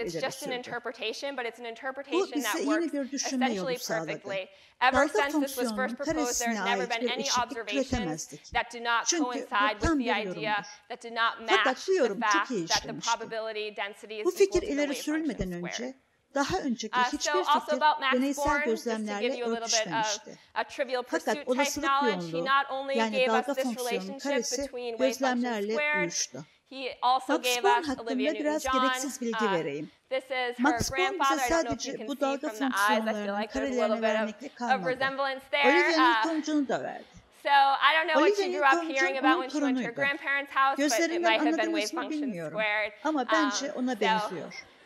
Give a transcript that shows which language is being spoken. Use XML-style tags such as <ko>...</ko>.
<en>It's just an interpretation, but it's an interpretation that works essentially perfectly. Ever since this was first proposed, there have never been any observations that do not coincide with the idea, that do not match the fact that the probability density is equal to the wave function squared.</en> <tr>Daha önceki hiçbir fikir deneysel gözlemlerle örtüşmemişti. Fakat olasılık yoğunluğu, yani dalga fonksiyonunun karesi gözlemlerle uyuştu. Max Born hakkında biraz gereksiz bilgi vereyim.</tr> <en>This is her grandfather. I don't know if you can see from the eyes. I feel like there's a little bit of resemblance there.</en> <tr>Olivia'nın tomcunu da verdi.</tr> <en>So I don't know what you grew up hearing about when she went to her grandparents' house, but it might have been wave function squared.</en> <tr>Ama bence ona benziyor.</tr>